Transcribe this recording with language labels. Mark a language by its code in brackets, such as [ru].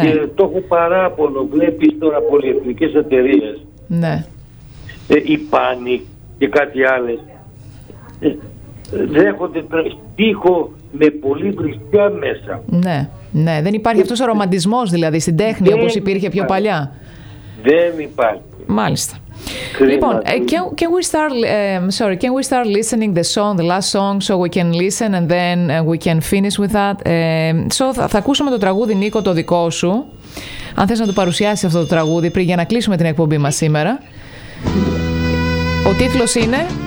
[el] Και το έχω παράπονο, βλέπεις τώρα πολυεθνικές εταιρείες. Ναι. Η Panic και κάτι άλλες. Δέχονται τείχο με πολύ βρισκιά μέσα. Ναι. Ναι. Δεν υπάρχει αυτός ο ρομαντισμός δηλαδή στην τέχνη όπως υπήρχε πιο παλιά. Δεν υπάρχει. Μάλιστα. Λοιπόν, [en] can we start listening the song, the last song, so we can listen and then we can finish with that. [el] Θα ακούσουμε το τραγούδι, Νίκο, το δικό σου. Αν θες να το παρουσιάσεις αυτό το τραγούδι πριν, για να κλείσουμε την εκπομπή μας σήμερα. Ο τίτλος είναι...